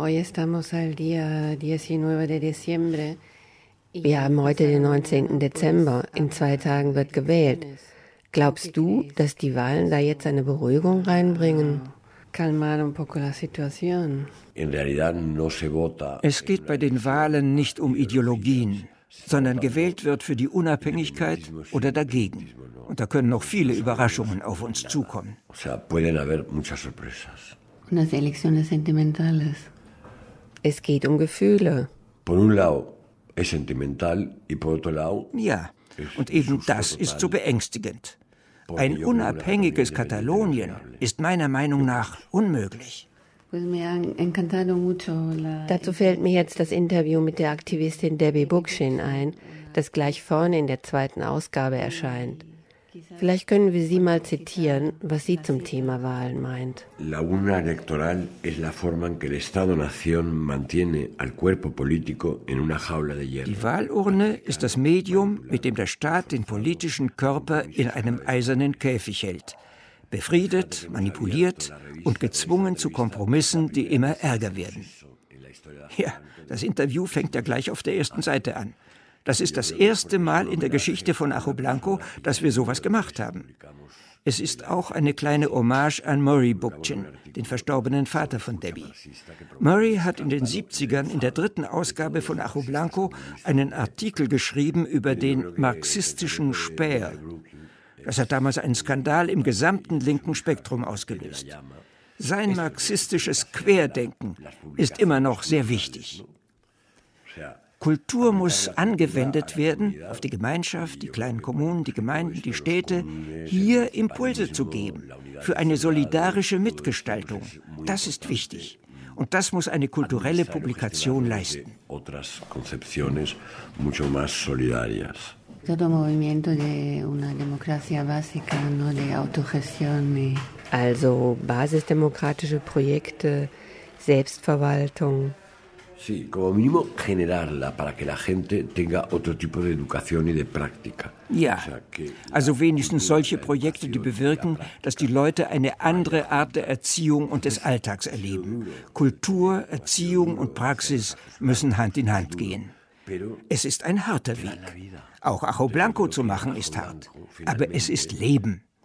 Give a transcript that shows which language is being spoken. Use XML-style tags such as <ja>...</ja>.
<es>hoy estamos al día 19 de diciembre.</es> <de>Wir haben heute den 19. Dezember. In zwei Tagen wird gewählt. Glaubst du, dass die Wahlen da jetzt eine Beruhigung reinbringen?</de> <es>Calmar un poco la situación. En realidad no se vota.</es> <de>Es geht bei den Wahlen nicht um Ideologien, sondern gewählt wird für die Unabhängigkeit oder dagegen. Und da können noch viele Überraschungen auf uns zukommen.</de> <es>O sea, pueden haber muchas sorpresas. Unas elecciones sentimentales.</es> <de>Es geht um Gefühle.</de> <es>Por un lado, es sentimental, y por otro lado,</es> <de>ja, und eben das ist so beängstigend. Ein unabhängiges Katalonien ist meiner Meinung nach unmöglich. Dazu fällt mir jetzt das Interview mit der Aktivistin Debbie Bookshin ein, das gleich vorne in der zweiten Ausgabe erscheint. Vielleicht können wir sie mal zitieren, was sie zum Thema Wahlen meint.</de> <es>La urna electoral es la forma en que el Estado-Nación mantiene al cuerpo político en una jaula de hierro.</es> <de>Die Wahlurne ist das Medium, mit dem der Staat den politischen Körper in einem eisernen Käfig hält, befriedet, manipuliert und gezwungen zu Kompromissen, die immer ärger werden. Ja, das Interview fängt ja gleich auf der ersten Seite an. Das ist das erste Mal in der Geschichte von Ajo Blanco, dass wir sowas gemacht haben. Es ist auch eine kleine Hommage an Murray Bookchin, den verstorbenen Vater von Debbie. Murray hat in den 70ern in der dritten Ausgabe von Ajo Blanco einen Artikel geschrieben über den marxistischen Späher. Das hat damals einen Skandal im gesamten linken Spektrum ausgelöst. Sein marxistisches Querdenken ist immer noch sehr wichtig. Kultur muss angewendet werden, auf die Gemeinschaft, die kleinen Kommunen, die Gemeinden, die Städte, hier Impulse zu geben für eine solidarische Mitgestaltung. Das ist wichtig. Und das muss eine kulturelle Publikation leisten.</de> <es>Otras concepciones mucho más solidarias. Todo movimiento de una democracia básica, no de autogestión.</es> <de>Also basisdemokratische Projekte, Selbstverwaltung.</de> <es>Sí, como mínimo generarla para que la gente tenga otro tipo de educación y de práctica.</es> <de>Ja, also wenigstens solche Projekte, die bewirken, dass die Leute eine andere Art der Erziehung und des Alltags erleben. Kultur, Erziehung und Praxis müssen Hand in Hand gehen. Es ist ein harter Weg. Auch Ajo Blanco zu machen ist hart, aber es ist Leben.</de>